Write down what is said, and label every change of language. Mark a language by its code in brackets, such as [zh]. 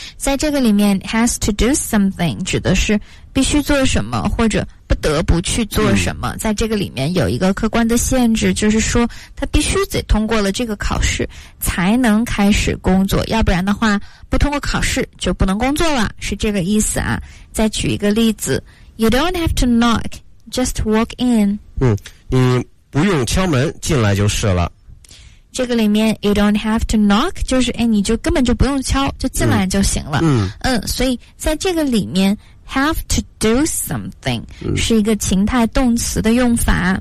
[zh] 在这个里面 [en] has to do something [zh] 指的是必须做什么或者不得不去做什么、嗯、在这个里面有一个客观的限制，就是说他必须得通过了这个考试才能开始工作，要不然的话不通过考试就不能工作了，是这个意思啊。 [en] 再举一个例子， You don't have to knock, just walk in。 [zh] 嗯，你不用敲门，进来就是了。这个里面 [en] You don't have to knock [zh] 就是哎，你就根本就不用敲，就进来就行了。嗯，嗯，所以在这个里面 [en] Have to do something、嗯、 [zh] 是一个情态动词的用法。